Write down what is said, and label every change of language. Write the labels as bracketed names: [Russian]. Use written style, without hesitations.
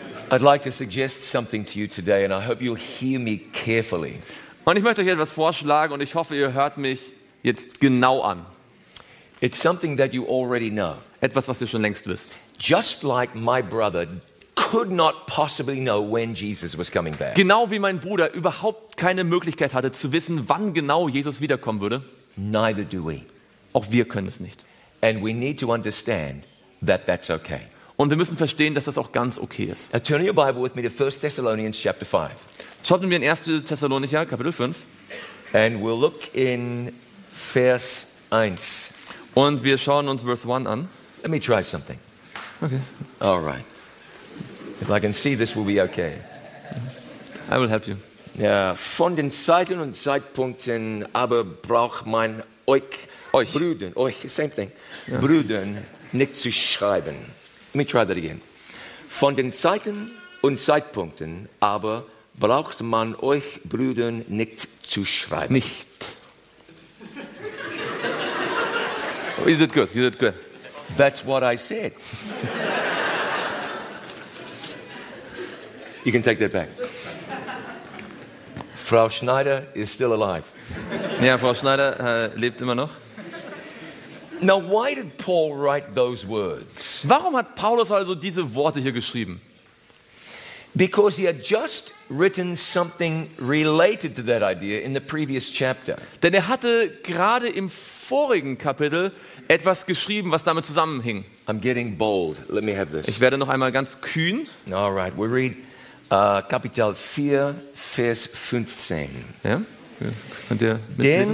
[English] I'd like to suggest something to you today and I hope you'll hear me carefully. [German] Und ich möchte euch etwas vorschlagen und ich hoffe, ihr hört mich jetzt genau an. [English] It's something that you already know. [German] Etwas, was ihr schon längst wisst. [English] Just like my brother could not possibly know when Jesus was coming back. [German] Genau wie mein Bruder überhaupt keine Möglichkeit hatte zu wissen, wann genau Jesus wiederkommen würde. [English] Neither do we. [German] Auch wir können es nicht. [English] And we need to understand that that's okay. [German] Und wir müssen verstehen, dass das auch ganz okay ist. [English] Now turn your Bible with me to 1 Thessalonians chapter 5. [German] Schauen wir in 1. Thessalonicher Kapitel 5. [English] And we'll look in Vers 1. [German] Und wir schauen uns Vers 1 an. [English] Let me try something. Okay. All right. If I can see, this will be okay. I will help you. [German] Ja, von den Zeiten und Zeitpunkten aber braucht man euch. Brüdern, euch, [English] same thing. [German] Ja. Brüdern, nicht zu schreiben. [English] Let me try that again. [German] Von den Zeiten und Zeitpunkten aber braucht man euch Brüdern nicht zu schreiben. Nicht. [English] Oh, you did good, you did good. That's what I said. You can take that back. Frau Schneider is still alive. [German] Ja, Frau Schneider lebt immer noch. [English] Now, why did Paul write those words? [German] Warum hat Paulus also diese Worte hier geschrieben? [English] Because he had just written something related to that idea in the previous chapter. [German] Denn er hatte gerade im vorigen Kapitel etwas geschrieben, was damit zusammenhing. [English] I'm getting bold. Let me have this. [German] Ich werde noch einmal ganz kühn. [English] All right, we read [German] Kapitel 4, Vers 15. Ja? Könnt ihr mitlesen?